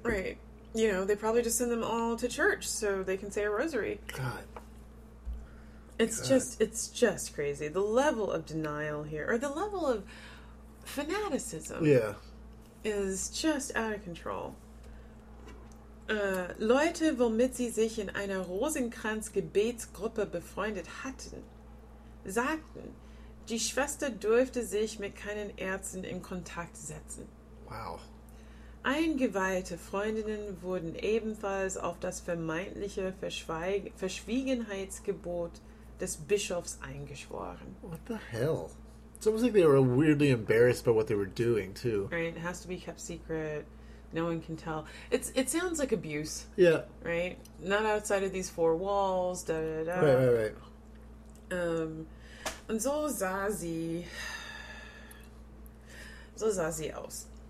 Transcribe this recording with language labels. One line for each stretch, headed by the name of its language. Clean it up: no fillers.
English: right. You know, they probably just send them all to church so they can say a rosary. God. It's just crazy. The level of denial here, or the level of fanaticism is just out of control.
German: Leute, womit sie sich in einer Rosenkranz-Gebetsgruppe befreundet hatten, sagten, die Schwester dürfte sich mit keinen Ärzten in Kontakt setzen.
English: Wow.
German: Eingeweihte Freundinnen wurden ebenfalls auf das vermeintliche Verschwiegenheitsgebot des Bischofs eingeschworen.
English: What the hell? It's almost like they were weirdly embarrassed by what they were doing, too. Right, it has to be kept secret. No one can tell. It sounds like abuse. Yeah. Right? Not outside of these four walls, da da da. Right.
German: Und so sah sie aus.